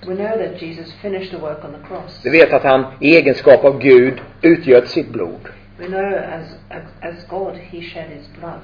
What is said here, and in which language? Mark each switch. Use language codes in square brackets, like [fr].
[en] We know that Jesus finished the work on the cross. [sv] Vi vet att han i egenskap av Gud utgöt sitt blod. [en] We know as God he shed his blood.